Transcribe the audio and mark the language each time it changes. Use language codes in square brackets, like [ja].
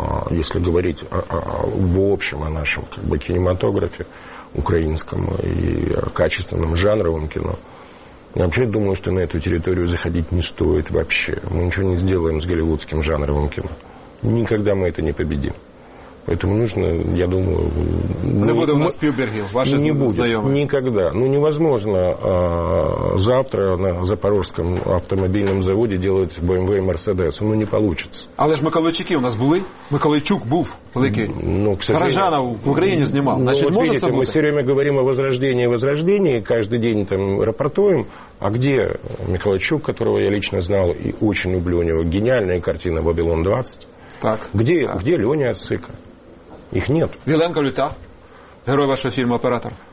[uk] Якщо говорити [ru] в общем [uk] о нашому [ru] как бы, [uk] кінематографі українському і качественному жанровому кіно, я взагалі думаю, що на цю територію заходити не стоїть взагалі. Ми нічого не зробимо з голівудським жанровим кіно. Ніколи ми це не побідимо. [ru] Поэтому нужно, я думаю... [uk] Не буде у нас Спілбергів, ваші знайомі. Не буде, [ru] никогда. Ну, невозможно завтра на Запорожском автомобильном заводе делать BMW и Mercedes. Ну, не получится. [uk] Але ж Миколайчуки у нас були. Миколайчук був великий. Ну, [ru] к сожалению... [uk] Горожанов в Україні знімав. Значить, може це бути? [ru] Ми все время говорим о возрождении, каждый день там рапортуем. А где Миколайчук, которого я лично знал и очень люблю, у него гениальная картина «Вавилон-20». Так. Где Леня Сыка? Их нет. Виленко Люта, герой вашего фильма «Оператор».